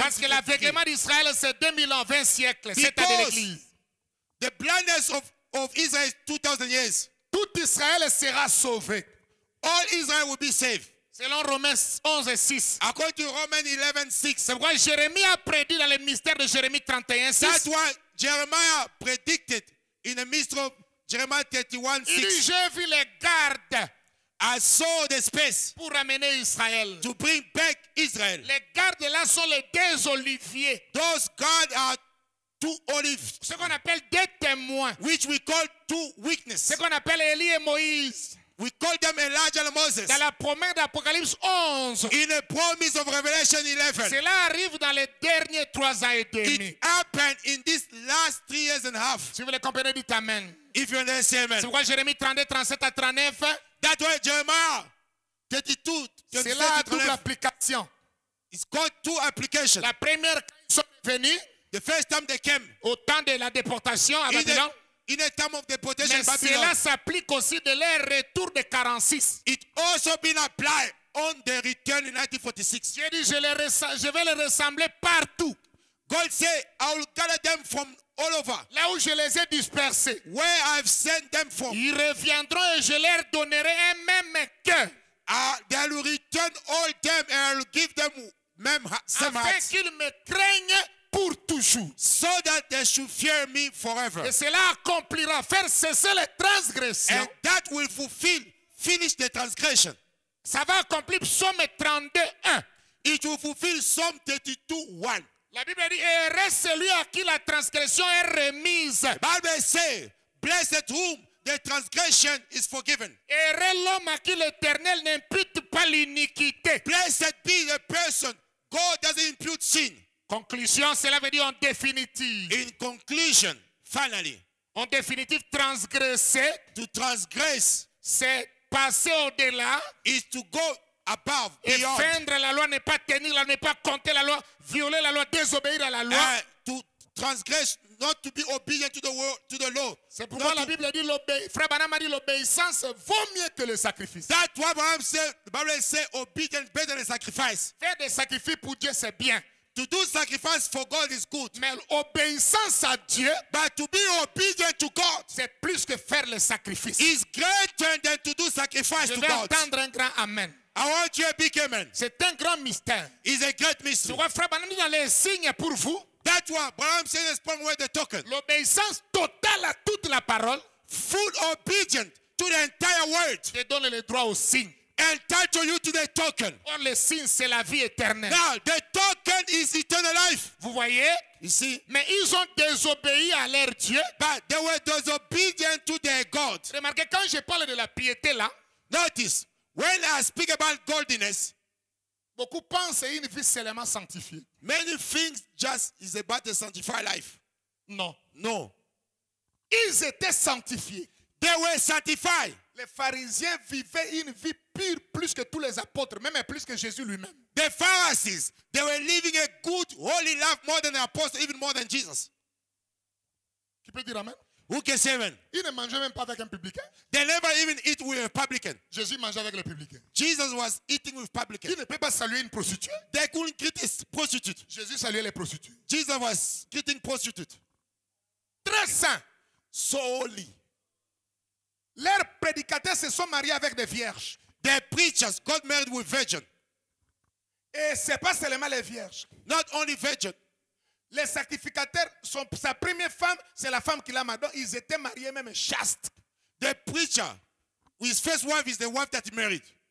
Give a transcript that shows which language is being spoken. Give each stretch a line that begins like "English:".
French: Parce que l'aveuglement d'Israël, c'est 2000 ans, 20 siècles. C'est à l'église.
English: The blindness of Israel is 2000 years.
French: Tout Israël sera sauvé.
English: All Israel will be saved.
French: Selon Romains 11 et 6.
English: According to Romans 11, 6.
French: C'est pourquoi Jérémie a prédit dans les mystères de Jérémie 31, 6.
English: That's why Jeremiah predicted in the mystery of Jeremiah 31, 6.
French: Il dit, j'ai vu les gardes.
English: I saw the space.
French: Pour ramener Israël.
English: To bring back Israel.
French: Les gardes là sont les deux oliviers.
English: Those guards are two olives.
French: Ce qu'on appelle deux témoins.
English: Which we call two witnesses.
French: Ce qu'on appelle Élie et Moïse.
English: We call them Elijah and Moses.
French: Dans la promesse d'Apocalypse 11.
English: In the promise of Revelation 11.
French: Cela arrive dans les derniers trois ans et demi.
English: It happened in these last three years and a half.
French: Si vous le comprenez, dites amen.
English: If you understand, amen.
French: C'est pourquoi Jérémie 32, 37 à 39.
English: That way, Jeremiah 32, 37
French: c'est là à double application.
English: It's called two applications.
French: La première, ils sont venus.
English: The first time they came.
French: Au temps de la déportation à Babylone.
English: In a time of deportation,
French: mais cela s'applique aussi de leur retour de 46.
English: It also been applied on the return in 1946.
French: J'ai dit, je vais les ressembler partout.
English: God said, I will gather them from all over.
French: Là où je les ai dispersés.
English: Where I've sent them from.
French: Ils reviendront et je leur donnerai un même cœur.
English: They will return all them and I will give them même same
French: afin qu'ils me craignent. Pour toujours.
English: So that they should fear me forever.
French: Et cela accomplira, faire cesser les transgressions.
English: And that will fulfill, finish the transgression.
French: Ça va accomplir Psaume 32:1.
English: It will fulfill Psalm 32:1.
French: La Bible dit, heureux celui à qui la transgression est remise.
English: The Bible says, blessed whom the transgression is forgiven.
French: Heureux l'homme à qui l'Éternel n'impute pas l'iniquité.
English: Blessed be the person God doesn't impute sin.
French: Conclusion, cela veut dire en définitive.
English: In conclusion, finally.
French: En définitive, transgresser.
English: To transgress.
French: C'est passer au-delà.
English: Is to go above, beyond.
French: Effendre la loi, ne pas tenir la loi, ne pas compter la loi, violer la loi, désobéir à la loi.
English: To transgress, not to be obedient to the law.
French: C'est pourquoi la Bible dit, Frère Branham a dit, l'obéissance vaut mieux que le sacrifice.
English: That's why Branham said, the Bible says, obedience better than sacrifice.
French: Faire des sacrifices pour Dieu, c'est bien.
English: To do sacrifice for God is good.
French: Mais l'obéissance à Dieu,
English: but to be obedient to God,
French: c'est plus que faire le sacrifice.
English: Is greater than to do sacrifice
French: je
English: to God.
French: Je vais entendre un grand amen.
English: I want you a big amen.
French: C'est un grand mystère.
English: Is a great mystery.
French: Tu vois, Frère Branham dit dans les signes pour vous.
English: That's why Branham said the spoken word, the token.
French: L'obéissance totale à toute la parole,
English: full obedient to the entire word.
French: Te donne le droit au signe.
English: Entitle you to the token.
French: Or le signe, c'est la vie éternelle.
English: Now, the token is eternal life.
French: Vous voyez?
English: You see?
French: Mais ils ont désobéi à leur Dieu.
English: But they were disobedient to their God.
French: Remarquez, quand je parle de la piété là.
English: Notice, when I speak about godliness.
French: Beaucoup pensent une vie seulement sanctifiée.
English: Many things just is about the sanctified life.
French: Non. Non. Ils étaient sanctifiés.
English: They were sanctified.
French: Les pharisiens vivaient une vie pire plus que tous les apôtres, même plus que Jésus lui-même.
English: The Pharisees, they were living a good, holy life more than the apostles, even more than Jesus.
French: Qui peut dire amen?
English: Who can say amen?
French: Ils ne mangeaient même pas avec un publicain.
English: They never even eat with a publican.
French: Jésus mangeait avec le publicain.
English: Jesus was eating with publicans.
French: Ils ne peuvent pas saluer une prostituée.
English: They couldn't greet a prostitute.
French: Jésus saluait les prostituées.
English: Jesus was greeting prostitutes.
French: Très saint.
English: So holy.
French: Leurs prédicateurs se sont mariés avec des vierges.
English: They preachers got married with virgins.
French: Et ce n'est pas seulement les vierges.
English: Not only virgins.
French: Les sacrificateurs, sa première femme, c'est la femme qu'il a mariée. Ils étaient mariés même chaste.
English: The preacher, his first wife is the wife that he married.